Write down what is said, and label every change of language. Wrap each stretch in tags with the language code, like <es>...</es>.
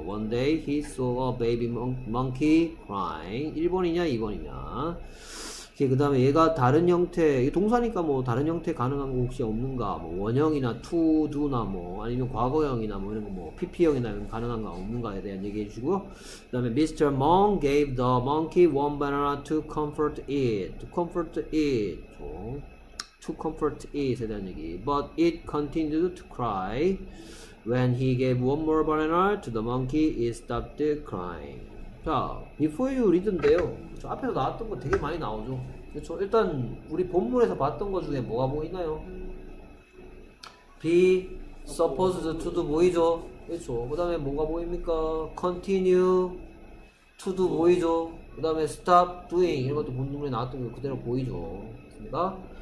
<en>One day he saw a baby monkey crying.</en> <ko>1번이냐 2번이냐. 그 다음에 얘가 다른 형태, 동사니까 뭐 다른 형태 가능한 거 혹시 없는가. 뭐 원형이나 to, do나 뭐 아니면 과거형이나 뭐 이런 거 뭐 PP형이나 이런 거 가능한가 없는가에 대한 얘기해 주시고요. 그 다음에 Mr.</ko> <en>Meng gave the monkey one banana to comfort it. To comfort it. To comfort it</en> <ko>에 대한 얘기.</ko> <en>But it continued to cry. When he gave one more banana to the monkey, it stopped crying.</en> <ko>자,</ko> <en>before you read</en> <ko>인데요. 저 앞에서 나왔던 거 되게 많이 나오죠. 그렇죠? 일단 우리 본문에서 봤던 것 중에 뭐가 보이나요?</ko> <en>Be supposed to</en> <ko>도 보이죠? 그렇죠? 그 다음에 뭐가 보입니까?</ko> <en>Continue to</en> <ko>도 보이죠? 그 다음에</ko> <en>stop doing</en> <ko>이런 것도 본문에 나왔던 거 그대로 보이죠? 그렇습니까?</ko>